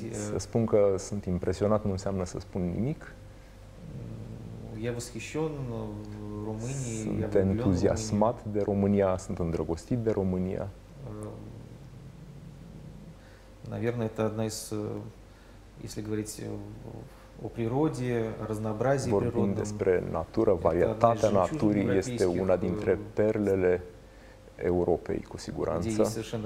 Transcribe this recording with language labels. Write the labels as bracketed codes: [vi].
[ro] Să spun că sunt impresionat nu înseamnă să spun nimic. [ru] Я восхищён Румынией, я влюблён. [ro] Sunt entuziasmat de România, sunt îndrăgostit de România. [ru] Наверное, это одна из, если говорить o природе, разнообразие природы. [ro] Vorbim despre natură, varietatea naturii este una dintre perlele Europei, cu siguranță.